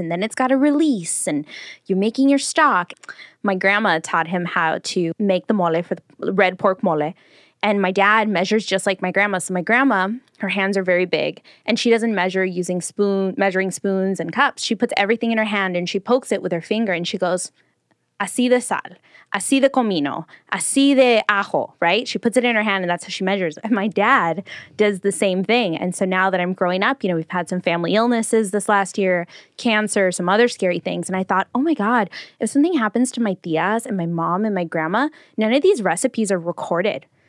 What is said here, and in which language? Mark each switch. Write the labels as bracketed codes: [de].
[en] And then it's got to release. And you're making your stock. My grandma taught him how to make the mole for the red pork mole. And my dad measures just like my grandma. So my grandma, her hands are very big. And she doesn't measure using measuring spoons and cups. She puts everything in her hand and she pokes it with her finger. And she goes, [es] así de sal. Así de comino, así de ajo, right? [en] She puts it in her hand and that's how she measures. And my dad does the same thing. And so now that I'm growing up, you know, we've had some family illnesses this last year, cancer, some other scary things. And I thought, oh my God, if something happens to my tías and my mom and my grandma, none of these recipes are recorded.